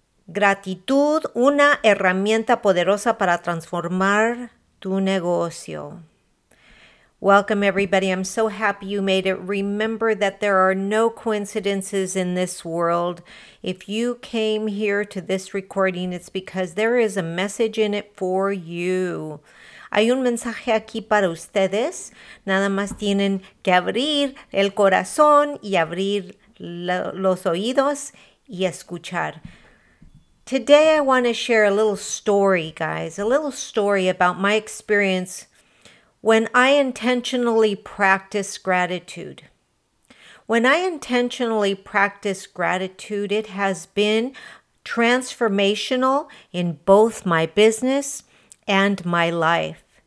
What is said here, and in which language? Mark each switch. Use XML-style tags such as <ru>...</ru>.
<es>Gratitud, una herramienta poderosa para transformar tu negocio.</es> <en>Welcome, everybody. I'm so happy you made it. Remember that there are no coincidences in this world. If you came here to this recording, it's because there is a message in it for you.</en> <es>Hay un mensaje aquí para ustedes. Nada más tienen que abrir el corazón y abrir los oídos y escuchar.</es> <en>Today, I want to share a little story, guys, a little story about my experience when I intentionally practice gratitude. When I intentionally practice gratitude, it has been transformational in both my business and my life.</en>